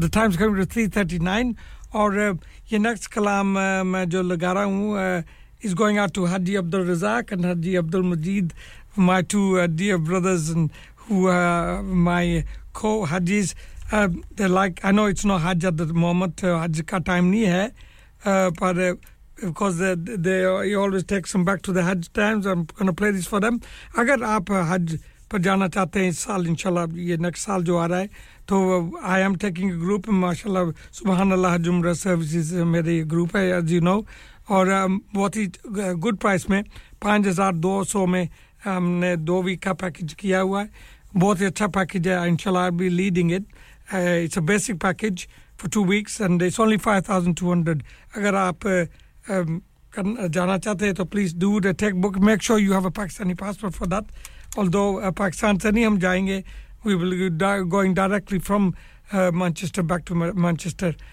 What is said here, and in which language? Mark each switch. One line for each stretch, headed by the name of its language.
English: The time's coming to 3:39. Or your next kalam,
Urdu: jo laga raha hu,
English: is going out to Haji Abdul Razak and Haji Abdul Majid, my two dear brothers, and who are my co-Hajis. They're like, I know it's not Hajj at the moment.
Urdu: Hajj ka time nahi hai.
English: But because they always take some back to the Hajj times. I'm going to play this for them.
Urdu: Agar aap Hajj پر جانا چاہتے ہیں اس سال انشاءاللہ یہ next سال جو آ رہا ہے تو
English: I am taking group
Urdu: ماشاء اللہ سبحان اللہ جمرہ سروسز میرے گروپ ہے
English: as you know
Urdu: اور بہت ہی گڈ پرائس میں 5,200 میں ہم نے دو ویک کا پیکج کیا ہوا ہے Bahut acha package hai,
English: inshallah I'll be leading it. It's a basic package for 2 weeks and it's only 5,200.
Urdu: Agar aap jana chahte hai, toh
English: please do the tech book. Make sure you have a Pakistani passport for that. Although
Urdu: Pakistan se nahi hum jayenge,
English: we will be going directly from Manchester back to Manchester.